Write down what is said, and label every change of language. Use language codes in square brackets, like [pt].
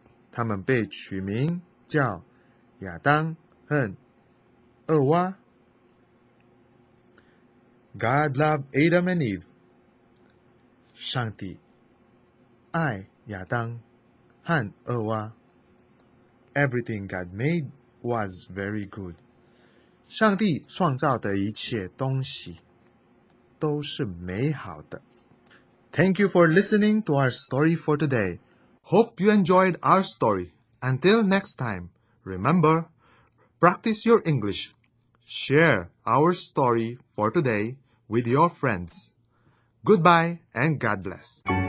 [zh] 他们被取名叫亚当和二娃。 [en] God loved Adam and Eve. [zh] 上帝爱亚当和二娃。 [en] Everything God made was very good. [zh] 上帝创造的一切东西都是美好的。 [en] Thank you for listening to our story for today. Hope you enjoyed our story. Until next time, remember, practice your English. Share our story for today with your friends. Goodbye and God bless.